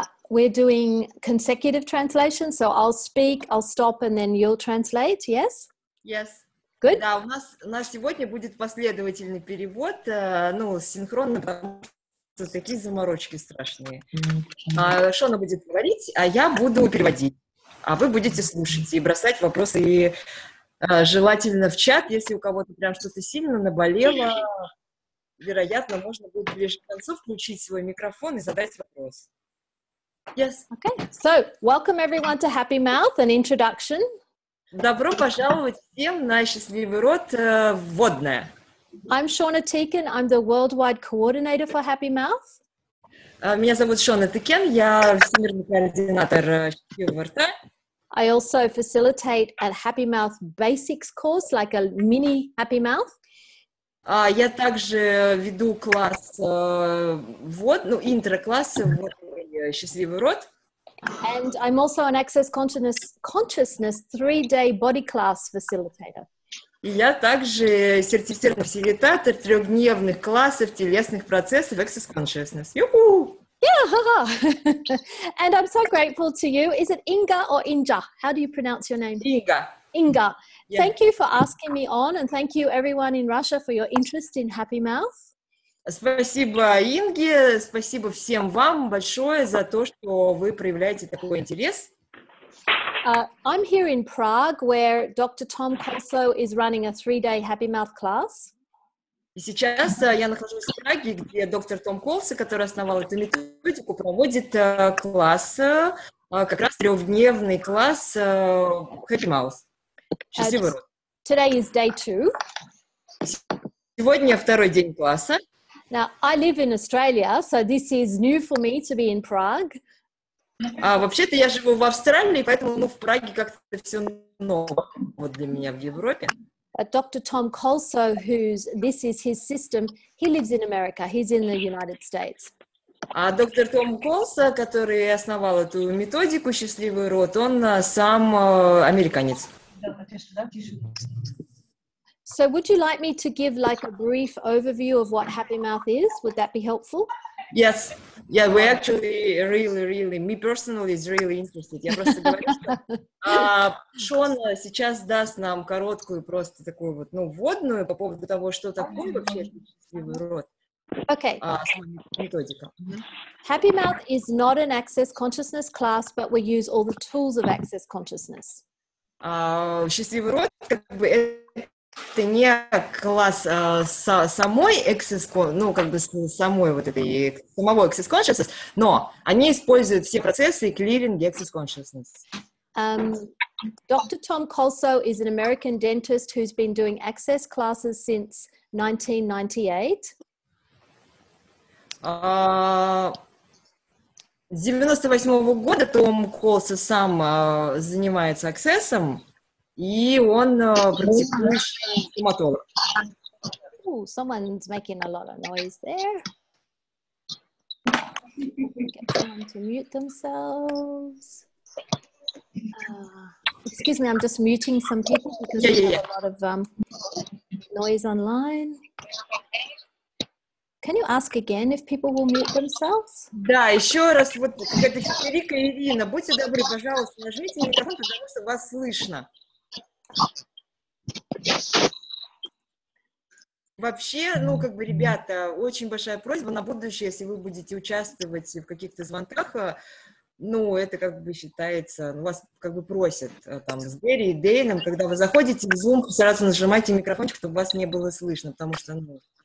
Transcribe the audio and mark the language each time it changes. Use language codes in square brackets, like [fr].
[en] We're doing consecutive translation, so I'll speak, I'll stop, and then you'll translate, yes? Yes. Good. [ru] Да, у нас сегодня будет последовательный перевод, ну, синхронно, потому что такие заморочки страшные. Шона будет говорить, а я буду переводить. А вы будете слушать и бросать вопросы, и желательно в чат, если у кого-то прям что-то сильно наболело. Вероятно, можно будет ближе к концу включить свой микрофон и задать вопрос. [en] Yes. Okay. So, welcome everyone to Happy Mouth, an introduction. [ru] Добро пожаловать всем на Счастливый рот, вводная. [en] I'm Shauna Teakin, I'm the worldwide coordinator for Happy Mouth. [ru] Меня зовут Шона Тыкен, я всемирный координатор Счастливого рта. [en] I also facilitate a Happy Mouth Basics course, like a mini Happy Mouth. [ru] Я также веду класс, интро-класс «Счастливый рот». [en] And I'm also an Access Consciousness 3-day body class facilitator. [ru] Я также сертифицированный фасилитатор трехдневных классов телесных процессов Access Consciousness. Ю-ху! [en] Yeah, ha-ha! And I'm so grateful to you. Is it Inga or Inja? How do you pronounce your name? Inga. Inga. Yeah. Thank you for asking me on, and thank you everyone in Russia for your interest in Happy Mouth. [ru] Спасибо, Инге, спасибо всем вам большое за то, что вы проявляете такой интерес. [en] I'm here in Prague, where Dr. Tom Koso is running a 3-day Happy Mouth class. [ru] И сейчас я нахожусь в Праге, где доктор Том Колсо, который основал эту методику, проводит класс, как раз трехдневный класс Happy Mouth. Счастливый рот. [en] Today is day two. [ru] Сегодня второй день класса. [en] Now, I live in Australia, so this is new for me to be in Prague. [ru] Вообще-то я живу в Австралии, поэтому в Праге как-то все ново вот для меня в Европе. [en] But Dr. Tom Koso, who's this is his system, he lives in America. He's in the United States. [ru] А доктор Том Колсо, который основал эту методику «Счастливый рот», он сам американец. [en] So would you like me to give like a brief overview of what Happy Mouth is? Would that be helpful? Yes. Yeah, we actually really, really, me personally is really interested. [ru] Я просто говорю, что Шон сейчас даст нам короткую просто такую вот, ну, вводную по поводу того, что такое вообще счастливый рот. [en] Okay. [ru] Методика. [en] Happy Mouth is not an Access Consciousness class, but we use all the tools of Access Consciousness. [ru] Счастливый рот, как бы, это не класс самой Access Consciousness, ну, как бы, самой вот этой, самого Access Consciousness, но они используют все процессы клиринга Access Consciousness. [en] Dr. Tom Koso is an American dentist who's been doing Access classes since 1998. [ru] С 98 года Том Колсо сам занимается аксессом, и он практикующий стоматолог. [en] Ooh, someone's making a lot of noise there. Get someone to mute themselves. Excuse me, I'm just muting some people because there's a lot of noise online. Can you ask again if people will mute themselves? [ru] Да, еще раз, вот какая-то Федерика и Ирина, будьте добры, пожалуйста, нажмите микрофон, потому что вас слышно. Вообще, ну, как бы, ребята, очень большая просьба на будущее, если вы будете участвовать в каких-то звонках, ну, это как бы считается, вас как бы просят там с Гэри и Дэйном, когда вы заходите в Zoom, сразу нажимайте микрофончик, чтобы вас не было слышно, потому что, ну,